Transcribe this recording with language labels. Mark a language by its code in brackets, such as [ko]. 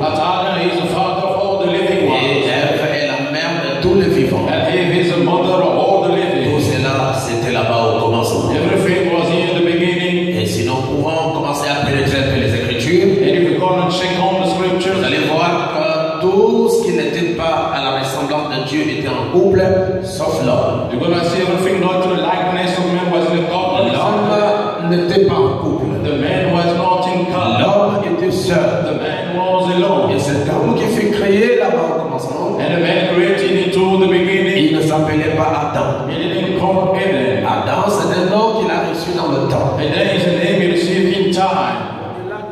[en] But Adam is the father of all the living ones. [fr] Et Eve est la mère de tous les vivants. [en] And Eve is the mother of all the living. [fr] Tout cela, c'était là-bas au commencement. [en] Everything was in the beginning. [fr] Et si nous pouvons commencer à pénétrer les Écritures, [en] and if you're going to check on the scriptures, [fr] vous allez voir que tout ce qui n'était pas à la ressemblance de Dieu était en couple, sauf l'homme. [en] You're going to see everything not to the likeness of man was in a couple. [fr] L'homme n'était pas en couple. [en] The man was not in couple. [fr] L'homme était seul. Et cet homme qui fut créé là-bas au commencement, [en] and the man created it to the beginning, [fr] il ne s'appelait pas Adam. [en] He didn't call Adam. [fr] Adam, c'est un nom qu'il a reçu dans le temps. [en] And that is a name he received in time.